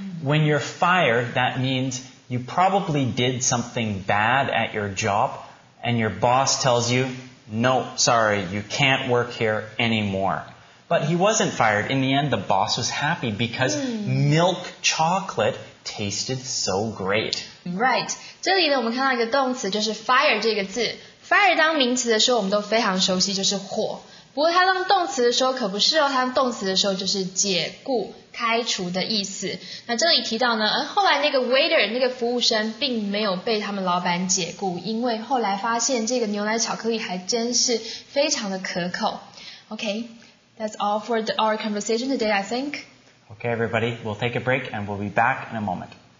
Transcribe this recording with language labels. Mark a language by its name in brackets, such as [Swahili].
[English] When you're fired, that means you probably did something bad at your job, and your boss tells you, no, sorry, you can't work here anymore. But he wasn't fired. In the end, the boss was happy because milk chocolate tasted so great. Right. [Chinese] 这里呢，我们看到一个动词，就是 fire 这个字。Fire 当名词的时候，我们都非常熟悉，就是火。不过它当动词的时候可不是哦，它当动词的时候就是解雇、开除的意思。那这里提到呢，后来那个 waiter 那个服务生并没有被他们老板解雇，因为后来发现这个牛奶巧克力还真是非常的可口。 [English] Okay, that's all for our conversation today, I think. Okay, everybody, we'll take a break and we'll be back in a moment.